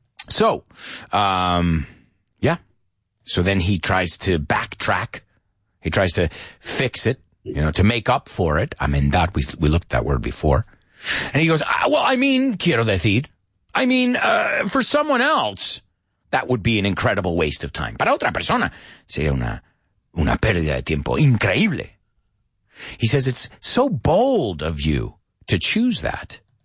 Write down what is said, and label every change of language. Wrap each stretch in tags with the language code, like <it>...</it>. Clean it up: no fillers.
<en>So, yeah. So then he tries to backtrack. He tries to fix it, you know, to make up for it. I mean, that we looked at that word before. And he goes, for someone else, that would be an incredible waste of time.</en> <es>Para otra persona, sería una pérdida de tiempo increíble.</es> <en>He says, it's so bold of you to choose that.</en>